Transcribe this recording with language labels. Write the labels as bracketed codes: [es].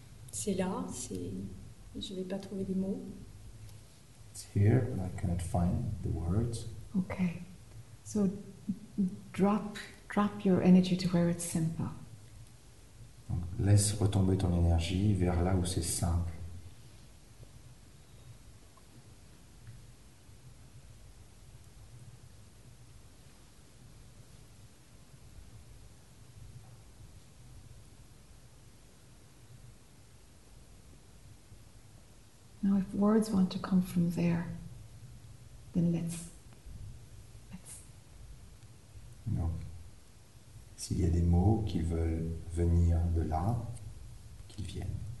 [fr] C'est là, c'est. Je vais pas trouver les mots. [en] It's here, but I cannot find the words. Okay. So drop your energy to where it's simple. [fr] Donc, laisse retomber ton énergie vers là où c'est simple. [en] Now, if words want to come from there, then let's. No. [fr] S'il y a des mots qui veulent venir de là, qu'ils viennent.